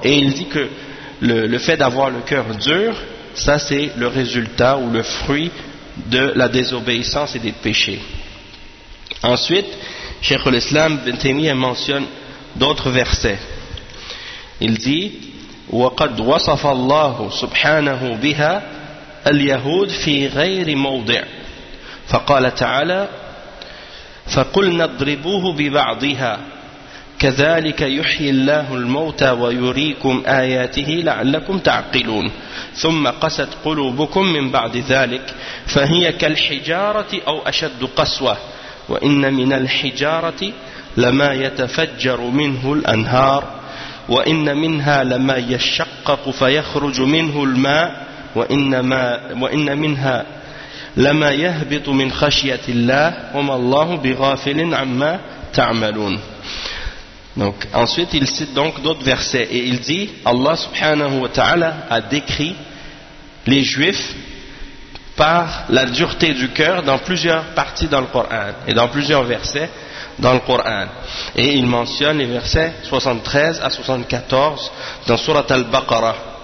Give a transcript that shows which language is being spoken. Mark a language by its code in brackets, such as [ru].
[fr] Et il dit que le fait d'avoir le cœur dur, ça c'est le résultat ou le fruit de la désobéissance et des péchés. Ensuite, Cheikh al-Islam Ibn Taymiyyah mentionne d'autres versets. Il dit [ar] وقد وصف الله سبحانه بها اليهود في غير موضع، فقال تعالى: فقلنا اضربوه ببعضها كذلك يحيي الله الموتى ويريكم آياته لعلكم تعقلون ثم قست قلوبكم من بعد ذلك فهي كالحجارة أو أشد قسوة وإن من الحجارة لما يتفجر منه الأنهار وإن منها لما يشقق فيخرج منه الماء وإن منها لما يهبط من خشية الله وما الله بغافل عما تعملون. [fr] Donc, ensuite, il cite donc d'autres versets et il dit: Allah subhanahu wa ta'ala a décrit les juifs par la dureté du cœur dans plusieurs parties dans le Coran et dans plusieurs versets dans le Coran. Et il mentionne les versets 73 à 74 dans Surat al-Baqarah.